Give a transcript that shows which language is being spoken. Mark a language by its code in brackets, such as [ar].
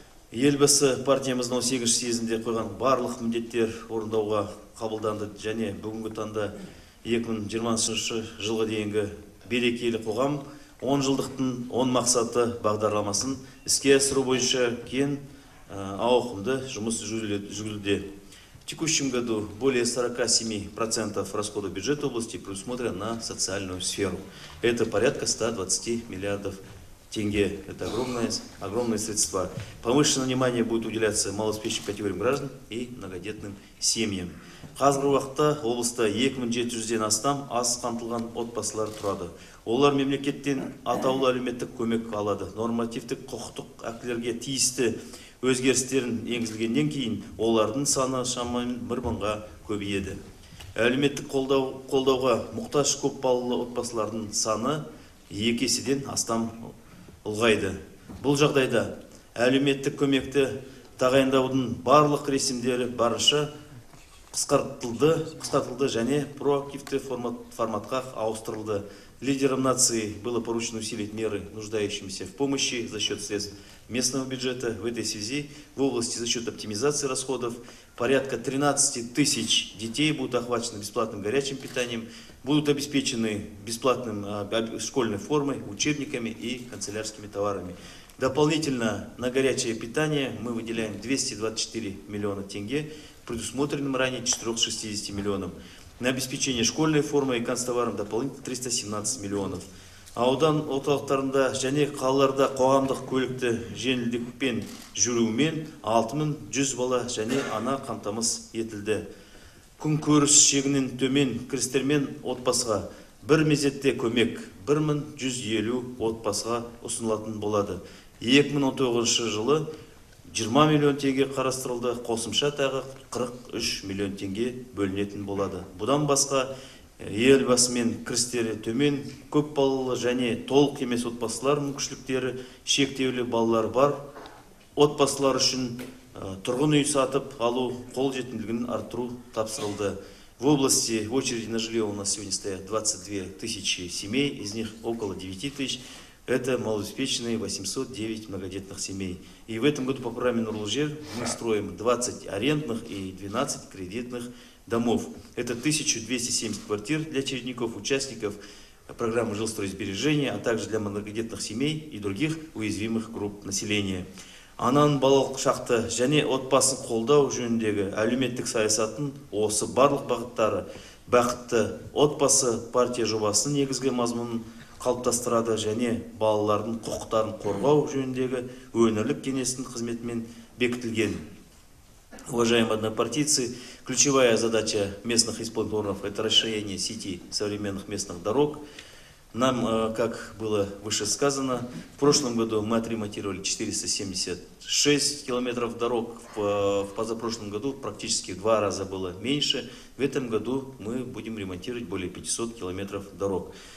[kk] Елбасы партиямыздың 18 съезінде қойған барлық міндеттер орындауға қабылданды, және бүгінгі таңда 2023 жылға дейінгі берекелі қоғам 10 жылдықтың 10 мақсаты бағдарламасын іске асыру бойынша кен ауқымды жұмыс жүргізілуде. [ru] Текущем году более 47% расходов бюджета области предусмотрено на социальную сферу. Это порядка 120 миллиардов тенге. Это огромные средства. Повышенное внимание будет уделяться малообеспеченным категориям граждан и многодетным семьям. [kk] Қазіргі уақытта облыста 2700-ден астам аз қамтылған отбасылар тұрады. Олар мемлекеттен атаулы әлеуметтік көмек алады. Нормативтік құқықтық актілерге тиісті өзгерістерін енгізілгеннен кейін олардың саны шамамен 1000-ға көбейеді. Әлеуметтік қолдауға мұқтаж көпбалалы отбасылардың саны 2 еседен астам ұлғайды. Бұл жағдайда әлеуметтік көмекті тағайындаудың барлық ресімдері барынша қысқартылды және проактивті форматқа ауыстырылды. [ru] Лидерам нации было поручено усилить меры нуждающимся в помощи за счет средств местного бюджета. В этой связи в области за счет оптимизации расходов порядка 13 тысяч детей будут охвачены бесплатным горячим питанием, будут обеспечены бесплатным школьной формой, учебниками и канцелярскими товарами. Дополнительно на горячее питание мы выделяем 224 миллиона тенге, предусмотренным ранее 460 миллионов. На обеспечение школьной формы и канцтоваром дополнительно 317 миллионов. [kk] Аудан орталықтарында және қалаларда қоғамдық көлікті жеңілдікпен жүрумен 6100 бала және ана қамтамасыз етілді. Күн көріс шегінен төмен кірістермен отбасыға бір мезетте көмек 1150 отбасыға ұсынылатын болады. 2019 жылы 20 миллион тенге қарастырылды, қосымша тағы 43 миллион тенге бөлінетін болады. Бұдан басқа елбасымен кірістері төмен, көп балалы және толық емес отбасылар мүмкіншіліктері шектеулі балалар бар. Отбасылар үшін тұрғын үй сатып алу қол жетімділігін арттыру тапсырылды. [ru] В области очереди на жилье у нас сегодня стоят 22 тысячи семей, из них около 9 тысяч. Это малообеспеченные 809 многодетных семей. И в этом году по программе «Нурлы жер» мы строим 20 арендных и 12 кредитных домов. Это 1270 квартир для очередников, участников программы «Жилстройсбережение», а также для многодетных семей и других уязвимых групп населения. [kk] Анан балалық шақты және отбасын қолдау жөніндегі әлеуметтік саясатын осы барлық бағыттары бақытты отбасы партия жобасының негізгі мазмұнын қалыптастырады және балалардың құқықтарын қорғау жөніндегі өңірлік кеңестің қызметімен бекітілген. [ru] Уважаемые однопартийцы, ключевая задача местных исполнительных органов – это расширение сети современных местных дорог. Нам, как было выше сказано, в прошлом году мы отремонтировали 476 километров дорог, в позапрошлом году практически в два раза было меньше. В этом году мы будем ремонтировать более 500 километров дорог.